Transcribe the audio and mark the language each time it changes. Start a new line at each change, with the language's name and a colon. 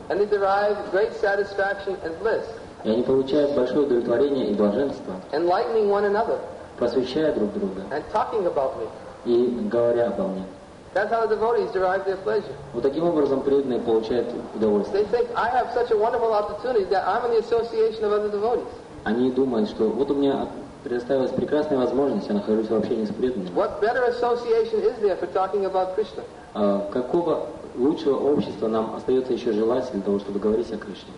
English: And they derive great satisfaction and bliss.
Russian: И они получают большое удовлетворение и блаженство.
English: Enlightening one another.
Russian: Просвещая друг друга.
English: And talking about me.
Russian: И говоря обо мне.
English: That's how the devotees derive their pleasure.
Russian: Вот таким образом преданные получают удовольствие.
English: They think I have such a wonderful opportunity that I'm in the association of other devotees.
Russian: Они думают, что вот у меня предоставилась прекрасная возможность, я нахожусь в общении с преданными.
English: What better association is there for talking about Krishna?
Russian: Какого лучшего общества нам остается еще желать для того, чтобы говорить о Кришне?